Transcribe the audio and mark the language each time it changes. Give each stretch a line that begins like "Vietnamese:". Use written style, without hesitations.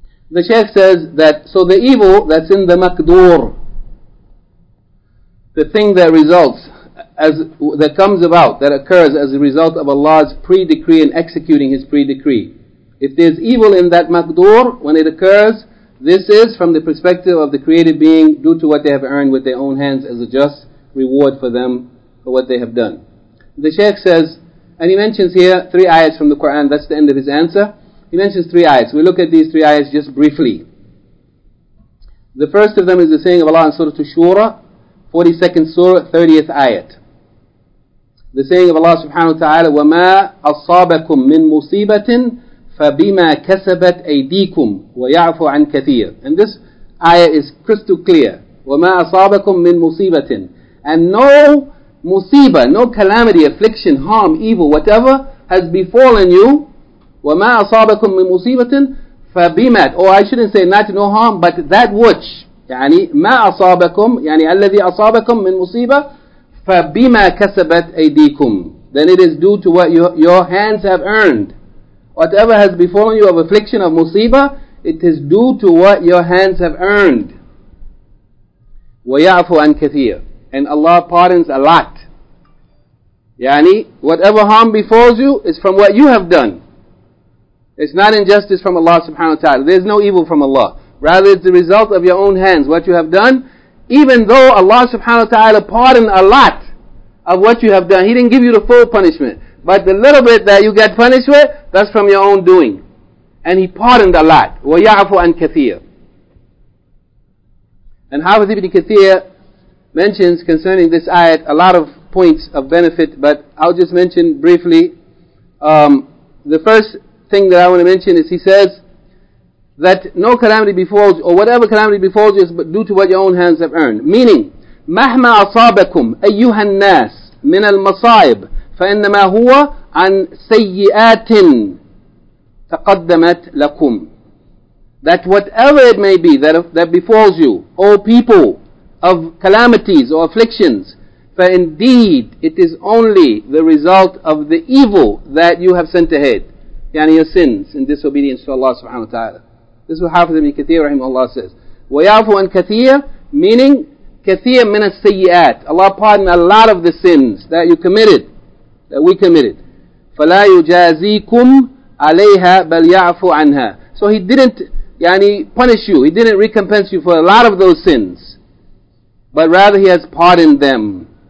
English: The Shaykh says that, so the evil that's in the maqdur, the thing that results, as that comes about, that occurs as a result of Allah's pre-decree and executing His pre-decree, if there's evil in that maqdur, when it occurs, this is from the perspective of the created being due to what they have earned with their own hands as a just reward for them for what they have done. The Shaykh says, and he mentions here three ayahs from the Quran, that's the end of his answer. He mentions three ayahs. We look at these three ayahs just briefly. The first of them is the saying of Allah in Surah Ash-Shura, 42nd Surah, 30th ayat. The saying of Allah subhanahu wa ta'ala,
Arabic: وَمَا أَصَابَكُم مِّن مُصِيبَةٍ فَبِمَا كَسَبَتْ أَيْدِيكُمْ وَيَعْفُ عَنْ كَثِيرٍ.
English: And this ayah is crystal clear.
Arabic: وَمَا أَصَابَكُم مِّن مُصِيبَةٍ.
English: And no musibah, no calamity, affliction, harm, evil, whatever has befallen you.
Arabic: وَمَا أَصَابَكُم مِّن مُصِيبَةٍ فَبِمَا.
English: Oh, I shouldn't say not no harm, but that which.
Arabic: يعني ما أصابكم يعني الذي أصابكم من مصيبة فبما كسبت أيديكم.
English: Then it is due to what your hands have earned. Whatever has befallen you of affliction, of musibah, it is due to what your hands have earned.
Arabic: ويعفو عن كثير.
English: And Allah pardons a lot. يعني whatever harm befalls you is from what you have done. It's not injustice from Allah subhanahu wa ta'ala. There's no evil from Allah. Rather, it's the result of your own hands, what you have done. Even though Allah subhanahu wa ta'ala pardoned a lot of what you have done, He didn't give you the full punishment. But the little bit that you get punished with, that's from your own doing. And He pardoned a lot.
Arabic: وَيَعْفُ عَنْ كَثِيرٌ.
English: And Hafiz Ibn Kathir mentions concerning this ayat a lot of points of benefit, but I'll just mention briefly. The first thing that I want to mention is he says, that no calamity befalls you, or whatever calamity befalls you is due to what your own hands have earned.
Arabic: Meaning, مَهْمَا أَصَابَكُمْ أَيُّهَا النَّاسِ مِنَ الْمَصَائِبِ فَإِنَّمَا هُوَ عَنْ سَيِّئَاتٍ تَقَدَّمَتْ لَكُمْ.
English: That whatever it may be that befalls you, O people of calamities or afflictions, for indeed it is only the result of the evil that you have sent ahead. يعني your sins and disobedience to Allah subhanahu wa ta'ala. This is what Hafiz Ibn Kathir rahimahullah says.
Arabic: وَيَعْفُ عَنْ كَثِيرٍ, meaning كَثِيرٍ مِنَ السَّيِّئَاتِ.
English: Allah pardon a lot of the sins that you committed, that we committed.
Arabic: فَلَا يُجَازِيكُمْ عَلَيْهَا بَلْ يَعْفُ عَنْهَا.
English: So He didn't يعني punish you, He didn't recompense you for a lot of those sins, but rather He has pardoned them.